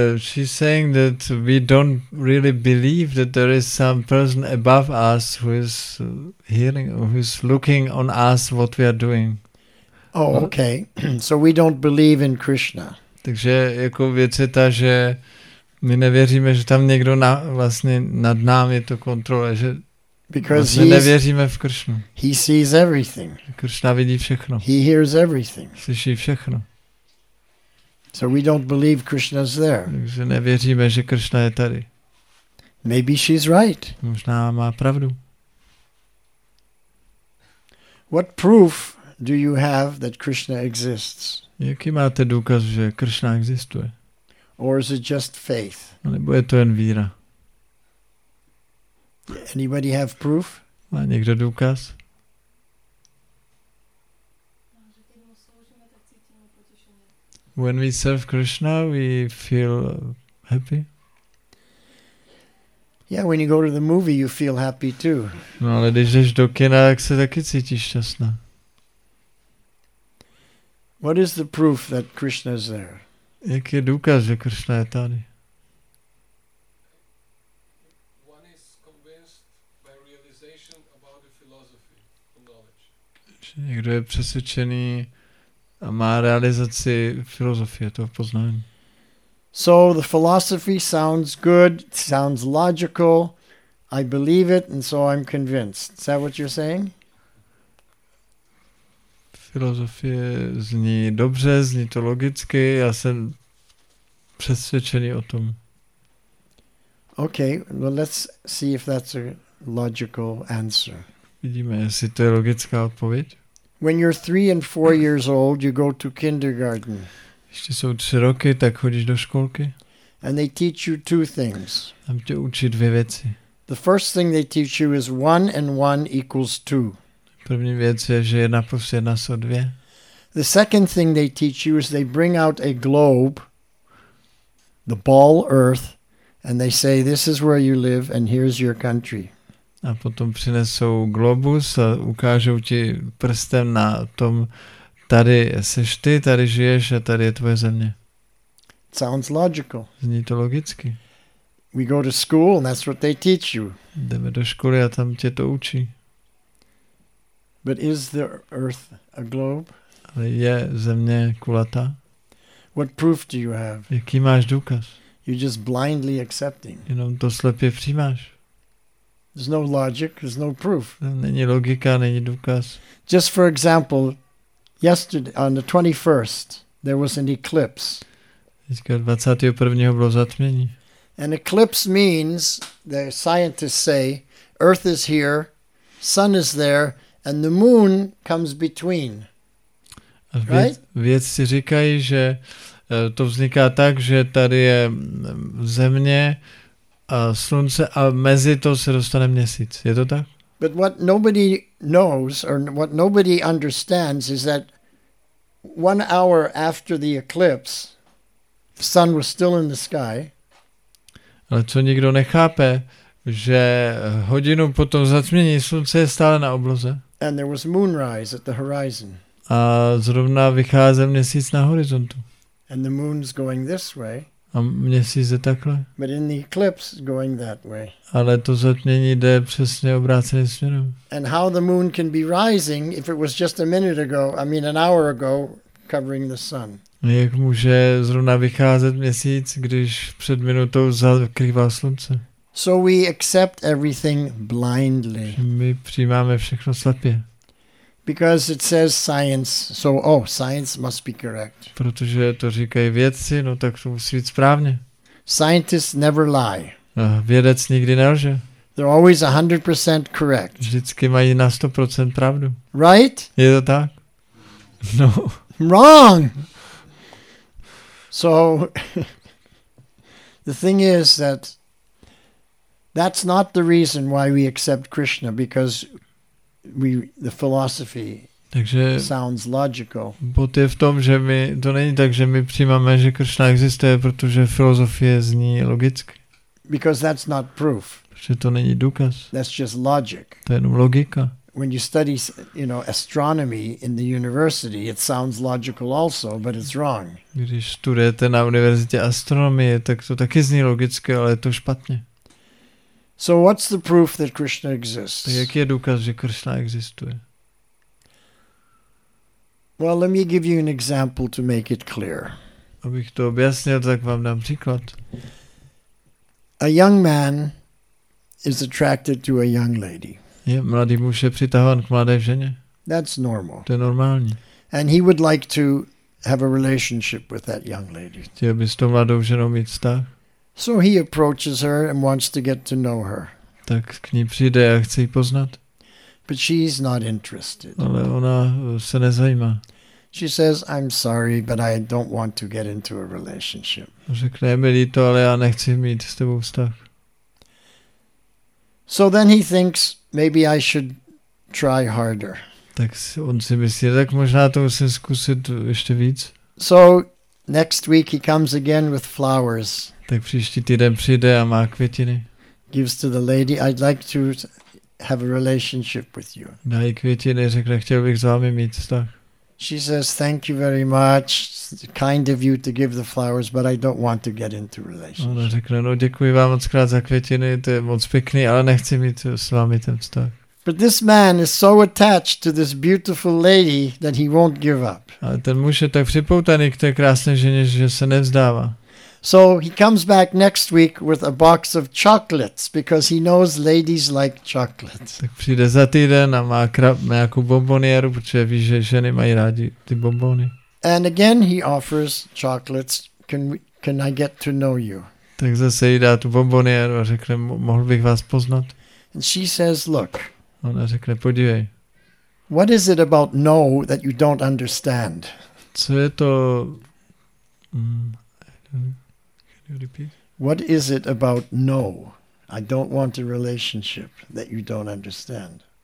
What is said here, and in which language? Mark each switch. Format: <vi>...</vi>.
<en>She's saying that we don't really believe that there is some person above us who is hearing, who is looking on us what we are doing. Oh, okay. So we don't believe in Krishna.</en> <cs>Takže jako věc je ta, že my nevěříme, že tam někdo na, vlastně nad námi to kontroluje, že</cs> <en>because</en> <cs>vlastně nevěříme v Krishnu.</cs> <en>He sees everything.</en> <cs>Krishna vidí všechno.</cs> <en>He hears everything.</en> <cs>Slyší všechno.</cs> <en>So we don't believe Krishna's there.</en> <cs>Takže nevěříme, že Krishna je tady.</cs> <en>Maybe she's right.</en> <cs>Možná má pravdu.</cs> <en>What proof do you have that Krishna exists?</en> <cs>Jaký máte důkaz, že Krishna existuje?</cs> <en>Or is it just faith?</en> <cs>Nebo je to jen víra?</cs> <en>Anybody have proof?</en> <cs>Má někdo důkaz?</cs> <en>When we serve Krishna, we feel happy. Yeah, when you go to the movie, you feel happy too.</en> <cs>No, ale když jdeš do kina, tak se taky cítíš šťastná.</cs> <en>What is the proof that Krishna is there?</en> <cs>Jaký je důkaz, že Krishna je tady?</cs> <en>One is convinced by realization about the philosophy of knowledge.</en> <cs>Někdo je přesvědčený a má realizaci filozofie toho poznání.</cs> <en>So the philosophy sounds good, sounds logical. I believe it and so I'm convinced. Is that what you're saying?</en> <cs>Filozofie zní dobře, zní to logicky, já jsem přesvědčený o tom.</cs> <en>Okay, well let's see if that's a logical answer.</en> <cs>Vidíme, jestli to je logická odpověď.</cs> <en>When you're 3 and 4 years old, you go to kindergarten.</en> <cs>Ještě jsou 3 roky, tak chodíš do školky.</cs> <en>And they teach you two things.</en> <cs>Tam tě učí dvě věci.</cs> <en>The first thing they teach you is 1 and 1 equals 2.</en> <cs>První věc je, že 1 + 1 = 2.</cs> <en>The second thing they teach you is they bring out a globe, the ball Earth, and they say, this is where you live and here's your country.</en> <cs>A potom přinesou globus a ukážou ti prstem na tom, tady seš ty, tady žiješ a tady je tvoje země.</cs> <en>Sounds logical.</en> <cs>Zní to logicky.</cs> <en>We go to school and that's what they teach you.</en> <cs>Jdeme do školy a tam tě to učí.</cs> <en>But is the earth a globe?</en> <cs>Ale je země kulatá?</cs> <en>What proof do you have?</en> <cs>Jaký máš důkaz?</cs> <en>You're just blindly accepting.</en> <cs>Jenom to slepě přijímáš.</cs> <en>There's no logic, there's no proof.</en> <cs>Není logika, není důkaz.</cs> <en>Just for example, yesterday on the 21st, there was an eclipse.</en> <cs>Dneska 21. bylo zatmění.</cs> <en>An eclipse means, the scientists say, Earth is here, Sun is there, and the Moon comes between. Right?</en> <cs>Vědci říkají, že to vzniká tak, že tady je Země a Slunce a mezi to se dostane Měsíc. Je to tak?</cs> <en>But what nobody knows or what nobody understands is that 1 hour after the eclipse, the Sun was still in the sky.</en> <cs>Ale co nikdo nechápe, že hodinu po tom zatmění slunce je stále na obloze.</cs> <en>And there was moonrise at the horizon.</en> <cs>A zrovna vycházel měsíc na horizontu.</cs> <en>And the moon's going this way.</en> <cs>A měsíc je takhle.</cs> <en>But in the eclipse going that way.</en> <cs>Ale to zatmění jde přesně obráceným směrem.</cs> <en>And how the moon can be rising if it was just a minute ago, I mean an hour ago, covering the sun.</en> <cs>Jak může zrovna vycházet měsíc, když před minutou zakrývá slunce?</cs> <en>So we accept everything blindly.</en> <cs>My přijímáme všechno slepě.</cs> <en>Because it says science, so oh, science must be correct.</en> <cs>Protože to říkají vědci, no tak to musí být správně.</cs> <en>Scientists never lie.</en> <cs>A vědec nikdy nelže.</cs> <en>They're always 100% correct.</en> <cs>Vždycky mají na 100% pravdu.</cs> <en>Right?</en> <cs>Je to tak? No.</cs> <en>Wrong. So the thing is that that's not the reason why we accept Krishna, because the philosophy sounds logical.</en> <cs>Bod je v tom, že my, to není tak, že my přijímáme, že Krishna existuje, protože filozofie zní logicky.</cs> <en>Because that's not proof.</en> <cs>Protože to není důkaz.</cs> <en>That's just logic.</en> <cs>To je jenom logika.</cs> <en>When you study, you know, astronomy in the university, it sounds logical also, but it's wrong.</en> <cs>Když studujete na univerzitě astronomii, tak to taky zní logicky, ale je to špatně.</cs> <en>So what's the proof that Krishna exists?</en> <cs>Tak jaký je důkaz, že Krishna existuje?</cs> <en>Well, let me give you an example to make it clear.</en> <cs>Abych to objasnil, tak vám dám příklad.</cs> <en>A young man is attracted to a young lady.</en> <cs>Je, mladý muž je přitahován k mladé ženě.</cs> <en>That's normal.</en> <cs>To je normální.</cs> <en>And he would like to have a relationship with that young lady.</en> <cs>Chtěl by s tou mladou ženou mít vztah.</cs> <en>So he approaches her and wants to get to know her.</en> <cs>Tak k ní přijde a chce ji poznat.</cs> <en>But she's not interested.</en> <cs>Ale ona se nezajímá.</cs> <en>She says, I'm sorry, but I don't want to get into a relationship.</en> <cs>Řekne, je mi líto, ale já nechci mít s tebou vztah.</cs> <en>So then he thinks, maybe I should try harder.</en> <cs>Tak on si myslí, tak možná to musím zkusit ještě víc.</cs> <en>So next week he comes again with flowers.</en> <cs>Tak příští týden přijde a má květiny.</cs> <en>Gives to the lady, I'd like to have a relationship with you.</en> <cs>Dá jí květiny, řekne, chtěl bych s vámi mít vztah.</cs> <en>She says, thank you very much, it's kind of you to give the flowers, but I don't want to get into relationship.</en> <cs>Ona řekne, no děkuji vám moc krát za květiny, to je moc pěkný, ale nechci mít s vámi ten vztah.</cs> <en>But this man is so attached to this beautiful lady that he won't give up.</en> <cs>Ale ten muž je tak připoutaný k té krásné ženě, že se nevzdává.</cs> <en>So he comes back next week with a box of chocolates because he knows ladies like chocolates.</en> <cs>Tak přijde za týden a má krab, nějakou bomboniéru, protože ví, že ženy mají rádi ty bombony.</cs> <en>And again he offers chocolates. Can I get to know you?</en> <cs>Tak zase jí dá tu bomboniéru a řekne, mohl bych vás poznat?</cs> <en>And she says, look.</en> <cs>Ona řekne, podívej.</cs> <en>What is it about no that you don't understand?</en> <cs>Co je to...</cs> <en>Can you repeat? What is it about no? I don't want a relationship that you don't understand.</en>